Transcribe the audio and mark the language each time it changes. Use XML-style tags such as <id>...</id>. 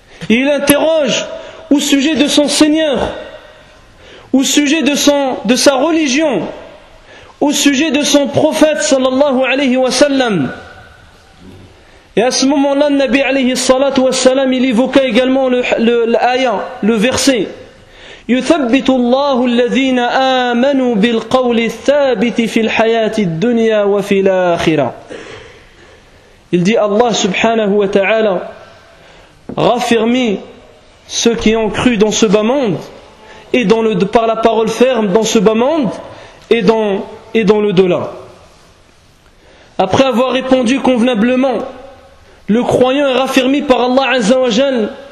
<fr>Et il interroge au sujet de son Seigneur, au sujet de sa religion, au sujet de son prophète sallallahu alayhi wa sallam. Et à ce moment-là, le Nabi alayhi salatu wa salam, il évoqua également l'ayat, le verset.</fr> <ar>يثبت الله الذين آمنوا بالقول الثابت في الحياة الدنيا وفي الآخرة.</ar> <fr>Il dit, Allah subhanahu wa ta'ala raffermi ceux qui ont cru dans ce bas monde et par la parole ferme dans ce bas monde et dans l'au-delà. Après avoir répondu convenablement, le croyant est raffermi par Allah azza wa jal.</fr>